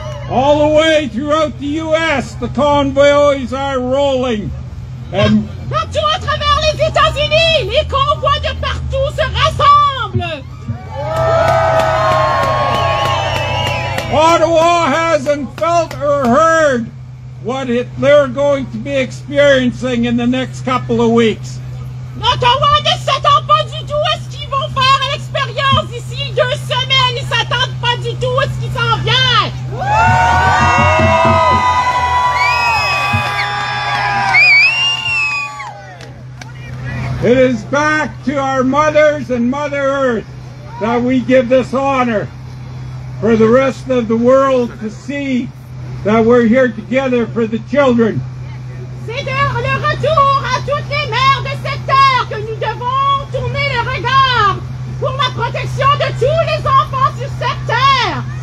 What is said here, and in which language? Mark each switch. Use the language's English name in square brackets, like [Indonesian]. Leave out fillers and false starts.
[English] All the way throughout the U.S., the convoys are rolling. And [French] partout à travers les États-Unis, les convois de partout se rassemblent. [English] Ottawa hasn't felt or heard what they're going to be experiencing in the next couple of weeks. [French] Ottawa ne s'attend pas du tout à ce qu'ils vont faire à l'expérience ici deux semaines. Ils s'attendent pas du tout à ce qui s'en vient. [English] It is back to our mothers and Mother Earth that we give this honor for the rest of the world to see that we're here together for the children. [French] C'est le retour à toutes les mères de cette terre que nous devons tourner le regard pour la protection de tous les enfants sur cette terre.